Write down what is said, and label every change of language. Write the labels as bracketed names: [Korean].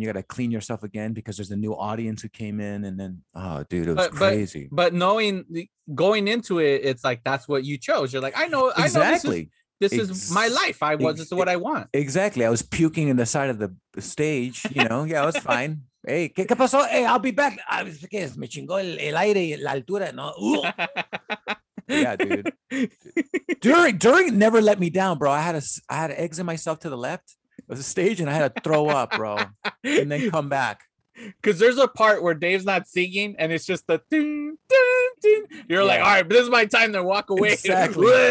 [English] You got to clean yourself again because there's a new audience who came in, and then, oh, dude, it was crazy. But knowing, going into it, it's like, that's what you chose. You're like, I know this is my life. This is what I want. Exactly. I was puking in the side of the stage, you know? Yeah, it was fine. Hey, [Spanish] ¿qué pasó? [English] Hey, I'll be back. [Spanish] Me chingó el aire y la altura, ¿no? [English] Yeah, dude. During Never Let Me Down, bro. I had to exit myself to the left of the stage, and I had to throw up, bro, and then come back. Because there's a part where Dave's not singing, and it's just the ding, ding, ding. You're like, all right, but this is my time to walk away. Exactly.